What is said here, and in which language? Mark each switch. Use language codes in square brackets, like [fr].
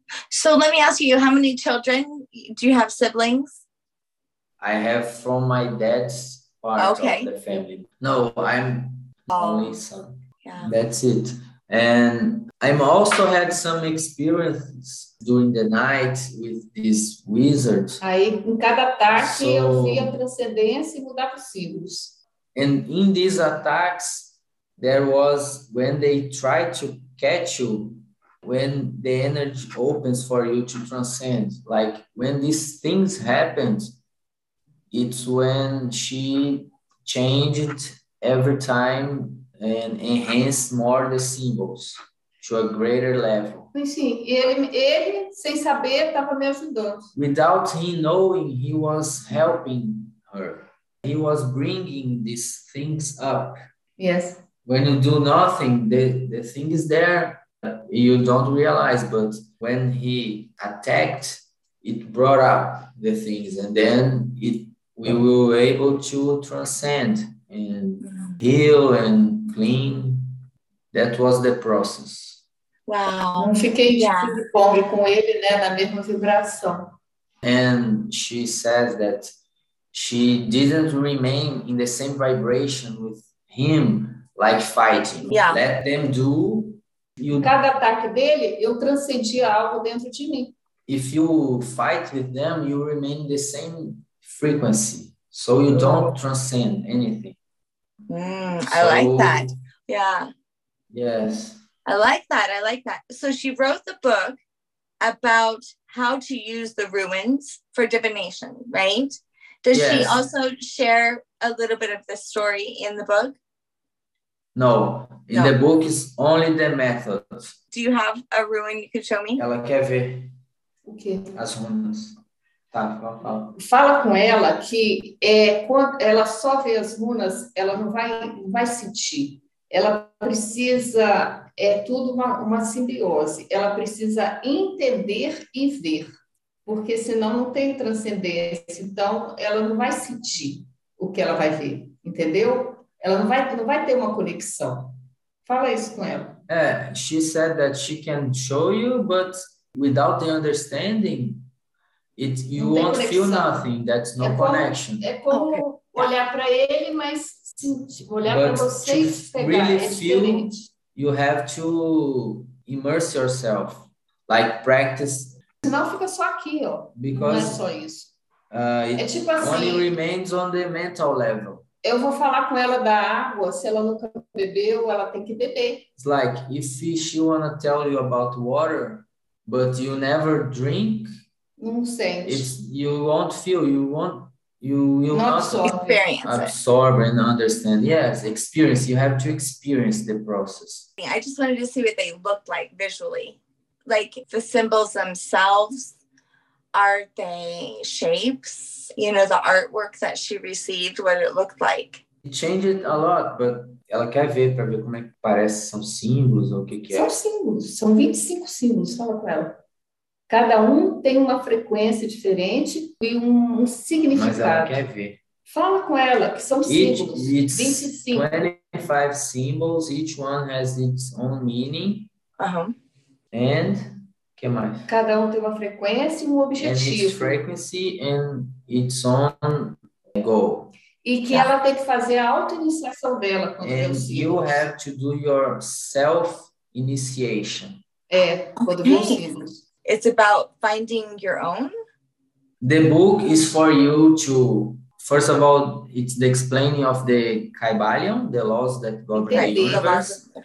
[en] So let me ask you, how many children do you have, siblings? I have from my dad's part of the family. No, I'm only son. Yeah. That's it. And I'm also had some experience during the night with this wizard. [pt] Aí, em cada ataque, eu via transcendência e mudava os símbolos. [en] And in these attacks, there was when they tried to catch you, when the energy opens for you to transcend. Like when these things happen, it's when she changed every time and enhanced more the symbols to a greater level. [pt] Ele sem saber, estava me ajudando. [en] Without him knowing, he was helping her. He was bringing these things up. Yes. When you do nothing, the thing is there. You don't realize, but when he attacked, it brought up the things. And then we were able to transcend and heal and clean. That was the process. Wow. [pt] Não fiquei de pobre com ele, né, na mesma vibração. [en] And she says that she didn't remain in the same vibration with him, like fighting. Yeah. Let them do. [pt] Cada ataque dele, eu transcendia algo dentro de mim. [en] If you fight with them, you remain in the same frequency. So you don't transcend anything. I like that. Yeah. Yes. I like that. So she wrote the book about how to use the ruins for divination, right? Does she also share a little bit of the story in the book? No. In the book, it's only the methods. Do you have a ruin you can show me? [pt] Ela quer ver. O quê? As ruínas. Tá, fala. Fala com ela que quando ela só vê as ruínas, ela não vai sentir. Ela precisa... É tudo uma simbiose. Ela precisa entender e ver. Porque senão não tem transcendência. Então, ela não vai sentir o que ela vai ver. Entendeu? Ela não vai ter uma conexão. Fala isso com ela. [en] She said that she can show you, but without the understanding, you won't feel nothing. That's no connection. [pt] É como olhar para ele, mas sentir, olhar para você e pegar. [en] Really [pt] é diferente. [en] You have to immerse yourself, like practice. [pt] Senão fica só aqui, ó. [en] Because [pt] não é só isso. [en] It [pt] tipo assim, [en] only remains on the mental level. [pt] Eu vou falar com ela da água, se ela nunca bebeu, ela tem que beber. [en] It's like, if she wanna tell you about water, but you never drink, [pt] não sente. [en] You won't feel, you will not absorb and understand. Yes, experience. You have to experience the process. I just wanted to see what they look like visually. Like the symbols themselves, are they shapes? You know, the artwork that she received, what it looked like. It changed a lot, but [pt] ela quer ver para ver como é que parece, são símbolos ou o que que é. São símbolos, são 25 símbolos, fala com ela. Cada tem uma frequência diferente e um significado. Mas ela quer ver. Fala com ela, que são símbolos, 25. [en] 25 symbols, each one has its own meaning. Uh-huh. And, [pt] que mais? Cada tem uma frequência e um objetivo. [en] And its frequency and its own goal. [pt] E que ela tem que fazer a auto-iniciação dela. [en] And you have to do your self-initiation. [pt] É, quando vem os símbolos. [en] It's about finding your own? The book is for you to... First of all, it's the explaining of the Kybalion, the laws that govern the universe.